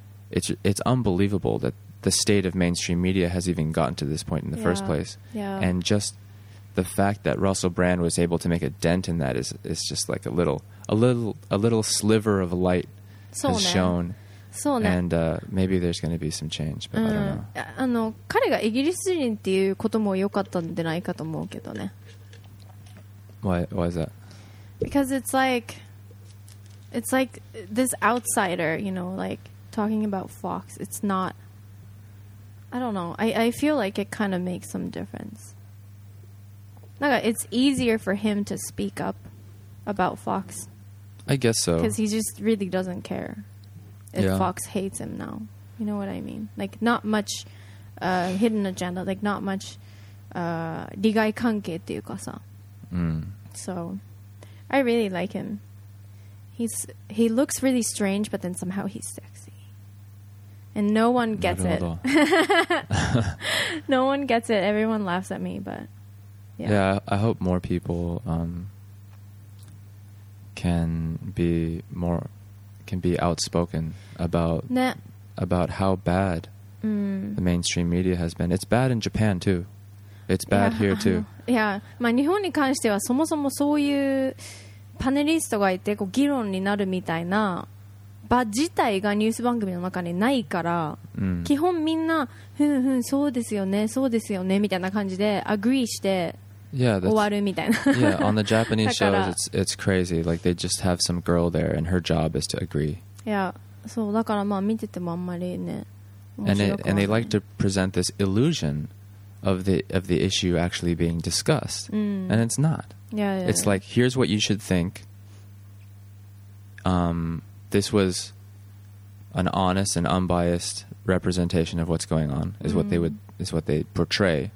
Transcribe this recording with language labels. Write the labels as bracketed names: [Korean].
[English] It's unbelievable that the state of mainstream media has even gotten to this point in the first place. Yeah. And just the fact that Russell Brand was able to make a dent in that is just like a little sliver of light has shown. [Japanese] そうね。 [English] And maybe there's going to be some change, but I don't know. [Japanese] あの、彼がイギリス人っていうことも良かったんじゃないかと思うけどね。 [English] Why is that? Because it's like this outsider, you know, like... talking about Fox, it's not, I don't know, I feel like it kind of makes some difference. It's easier for him to speak up about Fox, I guess, so because he just really doesn't care if Fox hates him now, you know what I mean? Like, not much hidden agenda, like not much [Japanese] 利害関係っていうかさ。 [English] So I really like him. He looks really strange, but then somehow he sticksAnd no one gets it. No one gets it. Everyone laughs at me, but... Yeah, yeah, I hope more people can be outspoken about, about how bad the mainstream media has been. It's bad in Japan, too. It's bad here, too. Yeah. [Japanese] まあ、日本に関してはそもそもそういうパネリストがいてこう議論になるみたいな場自体がニュース番組の中にないから、基本みんなふんふんそうですよねそうですよねみたいな感じでアグリーして終わるみたいな。 [English] Yeah, on the Japanese shows, it's crazy. Like they just have some girl there, and her job is to agree. [Japanese] Yeah, そうだからまあ見ててもあんまりね。 [English] And they like to present this illusion of the issue actually being discussed, and it's not. Yeah. It's like here's what you should think. This was an honest and unbiased representation of what's going on is what they would is what they portray.